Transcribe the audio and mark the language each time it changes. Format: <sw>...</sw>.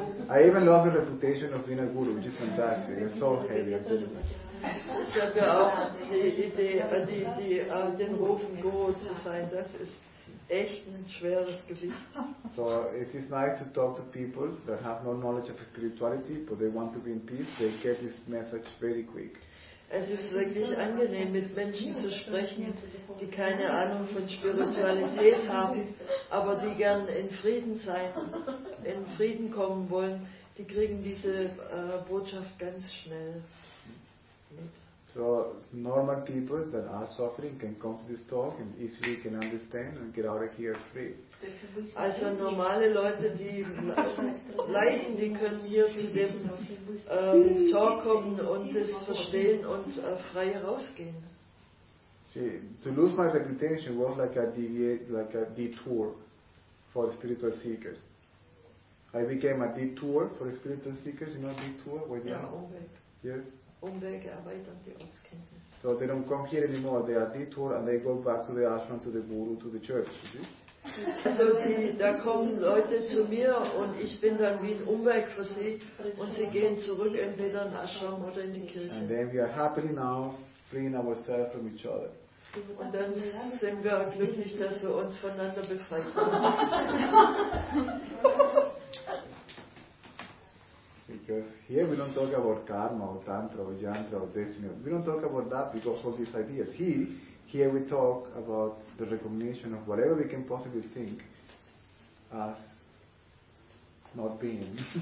<en>I even lost the reputation of being a guru, which is fantastic. It's so heavy.</en> <de>Ich habe auch den Ruf, Guru zu sein. Das ist echt ein schweres Gewicht.</de> <en>So it is nice to talk to people that have no knowledge of spirituality, but they want to be in peace. They get this message very quick.</en> <de>Es ist wirklich angenehm, mit Menschen zu sprechen, die keine Ahnung von Spiritualität haben, aber die gern in Frieden sein, in Frieden kommen wollen. Die kriegen diese Botschaft ganz schnell mit.</de> <en>So, normal people that are suffering can come to this talk and easily can understand and get out of here free.</en> <de>Also normale Leute, die leiden, die können hier zu dem Tor kommen und es verstehen und frei rausgehen.</de> <en>See, to lose my reputation was like a detour for spiritual seekers. I became a detour for spiritual seekers, you know, detour?</en> <de>Ja, Umweg.</de> <en>Yes.</en> <de>Umwege erweitern die Ortskenntnis.</de> <en>So they don't come here anymore, they are detour and they go back to the ashram, to the guru, to the church. See?</en> <de>Also da kommen Leute zu mir und ich bin dann wie ein Umweg für sie und sie gehen zurück entweder in Ashram oder in die Kirche.</de> <en>And then we are happily now freeing ourselves from each other.</en> <de>Und dann sind wir glücklich, dass wir uns voneinander befreit haben.</de> <en>Because here we don't talk about karma or tantra or yantra or destiny. We don't talk about that because of these ideas. Here we talk about the recognition of whatever we can possibly think as not being.</en>